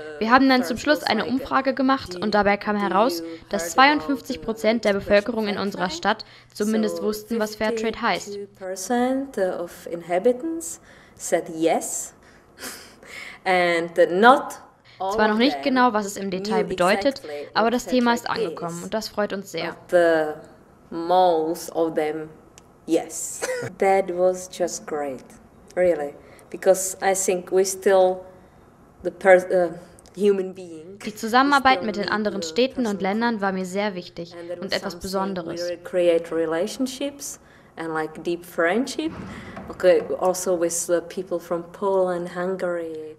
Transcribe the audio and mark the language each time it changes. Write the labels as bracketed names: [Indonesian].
[German] Wir haben dann zum Schluss eine Umfrage gemacht und dabei kam heraus, dass 52% der Bevölkerung in unserer Stadt zumindest wussten, was Fairtrade heißt. [English] 52% of inhabitants said yes and not. [German] Zwar noch nicht genau, was es im Detail bedeutet, aber das Thema ist angekommen und das freut uns sehr. [English] The most of them. Yes, that was just great, really, because I think we still the human being. [German] Die Zusammenarbeit mit den anderen Städten und Ländern war mir sehr wichtig und etwas Besonderes. [English] We create relationships and like deep friendship. Okay, also with the people from Poland, Hungary.